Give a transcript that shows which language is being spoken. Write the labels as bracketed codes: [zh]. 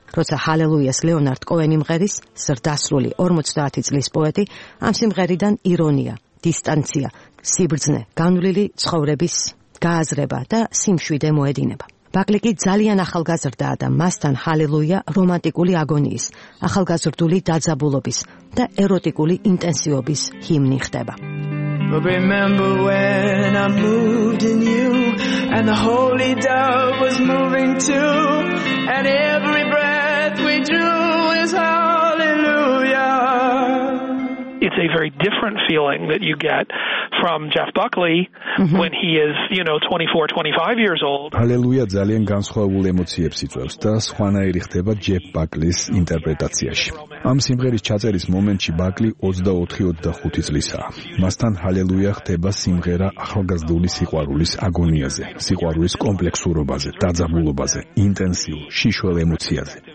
[ka] როცა ჰალელუიას ლეონარდ კოენი მღერის, ზრდასრული 50 წლის პოეტი ამ სიმღერიდან ირონია, დისტანცია, სიბრძნე, განვლილი ცხოვრების გააზრება და სიმშვიდე მოედინება. ბაკლი კი ძალიან ახალგაზრდაა და მასთან ჰალელუია რომანტიკული აგონიის, ახალგაზრდული დაძაბულობის და ეროტიკული ინტენსივობის ჰიმნი ხდება. [en] Remember when I moved in you and the holy dove was moving too and every breath we drew is hallelujah. It's a very different feeling that you get from Jeff Buckley mm-hmm. when he is, you know, 24, 25 years old. [ka] Halleluja ძალიან განსხვავებული ემოციებს იწვევს და სხვანაირი ხდება Jeff Buckley-ის ინტერპრეტაციაში. ამ სიმღერის ჩაწერის მომენტში Buckley 24-25 წლისაა. მასთან Halleluja ხდება სიმღერა ახალგაზრდული სიყვარულის აგონიაზე, სიყვარულის კომპლექსურობაზე, დაძაბულობაზე, ინტენსიურ, შიშველ ემოციაზე.